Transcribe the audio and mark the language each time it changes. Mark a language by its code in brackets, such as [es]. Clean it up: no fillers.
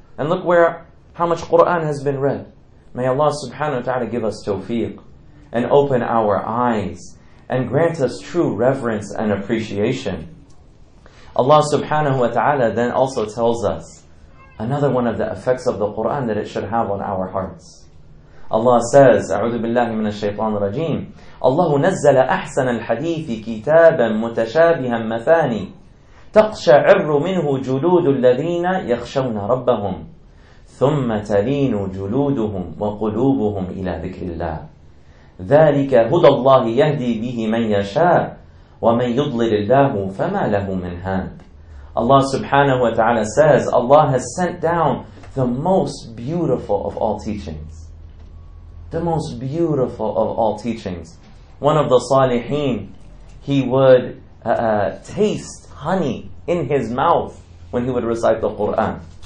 [en] And look where, how much Qur'an has been read. May Allah subhanahu wa ta'ala give us tawfiq and open our eyes and grant us true reverence and appreciation. Allah subhanahu wa ta'ala then also tells us another one of the effects of the Qur'an that it should have on our hearts. Allah says, [ar] أعوذ بالله من الشيطان الرجيم, الله نزل أحسن الحديث كتابا متشابها مثاني تقشعر منه جلود الذين يخشون ربهم ثم تلين جلودهم وقلوبهم إلى ذكر الله ذلك هدى الله يهدي به من يشاء ومن يضلل الله فما له من هاد. [en] Allah subhanahu wa ta'ala says, Allah has sent down the most beautiful of all teachings. The most beautiful of all teachings. One of the salihin, he would taste honey in his mouth when he would recite the Qur'an.